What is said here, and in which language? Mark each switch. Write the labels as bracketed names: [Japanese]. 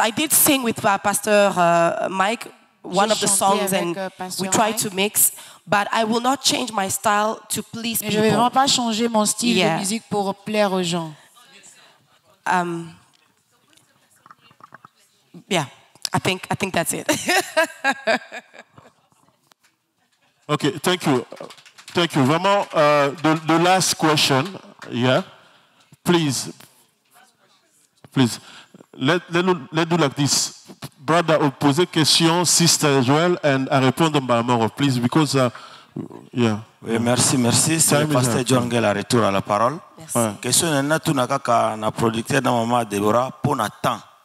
[English] I did sing with Pastor Mike one of the songs, and we tried to mix. But I will not change my style to please people. [French] Je vais vraiment pas changer mon style de musique pour plaire aux gens. [English] I think that's it. Okay, thank you. Vraiment, the last question, yeah, please, let's do like this. Brother, pose a question, sister Joel, and I respond by more, please, because, yeah. [French] Oui, merci. C'est le pasteur John Gale, à retour à la parole. Merci. Question, il y a tout le monde qui a produit dans maman Deborah pour le temps.